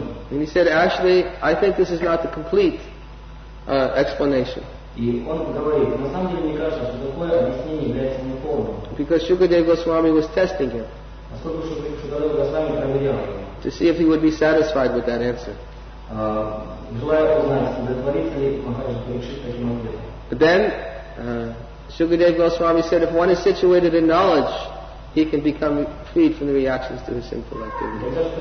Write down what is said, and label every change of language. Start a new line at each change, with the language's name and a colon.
English: And he said, actually, I think this is not the complete explanation.
Russian: И он говорит, на самом деле мне кажется, что такое объяснение является неполным.
English: Because Shukadeva Goswami was testing him.
Russian: Поскольку Шукадева Госвами проверял его.
English: To see if he would be satisfied with that answer.
Russian: Желая узнать, удовлетворится ли Махараджа Парикшит таким ответом.
English: But then, Shukadeva Goswami said, if one is situated in knowledge, he can become freed from the reactions to his sinful activity.